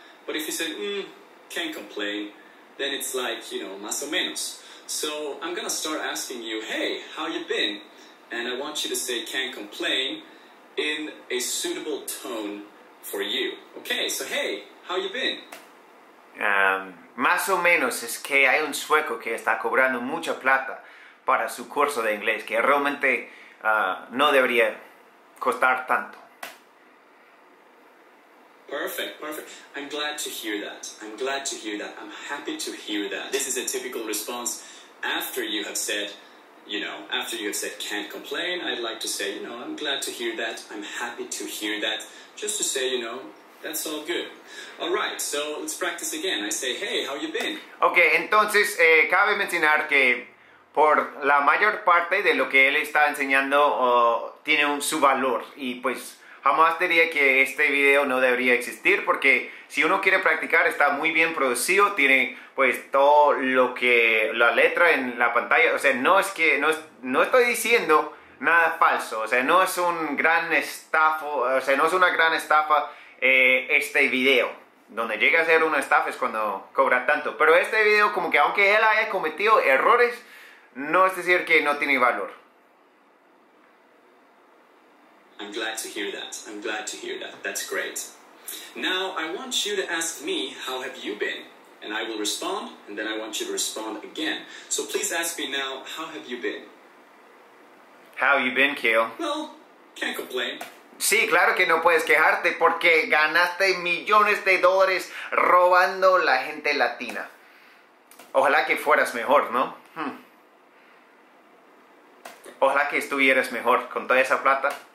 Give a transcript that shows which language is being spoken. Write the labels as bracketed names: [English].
[English] But if you say, can't complain, then it's like, you know, [Spanish] más o menos. [English] So I'm going to start asking you, hey, how you been? And I want you to say can't complain in a suitable tone for you. Okay, so hey, how you been? [Spanish] Más o menos es que hay un sueco que está cobrando mucha plata para su curso de inglés, que realmente no debería costar tanto. [English] Perfect, perfect. I'm glad to hear that. I'm glad to hear that. I'm happy to hear that. This is a typical response after you have said, you know, after you have said can't complain, I'd like to say, you know, I'm glad to hear that. I'm happy to hear that. Just to say, you know, that's all good. All right, so let's practice again. I say, hey, how you been? [Spanish] Okay, entonces, cabe mencionar que por la mayor parte de lo que él está enseñando tiene su valor y pues... Jamás diría que este video no debería existir porque si uno quiere practicar está muy bien producido, tiene pues todo lo que la letra en la pantalla, o sea, no estoy diciendo nada falso, o sea, no es una gran estafa este video. Donde llega a ser una estafa es cuando cobra tanto, pero este video como que aunque él haya cometido errores, no es decir que no tiene valor. [English] I'm glad to hear that. I'm glad to hear that. That's great. Now, I want you to ask me, how have you been? And I will respond, and then I want you to respond again. So please ask me now, how have you been? How you been, Kale? Well, can't complain. [Spanish] Sí, claro que no puedes quejarte porque ganaste millones de dólares robando la gente latina. Ojalá que fueras mejor, ¿no? Ojalá que estuvieras mejor con toda esa plata.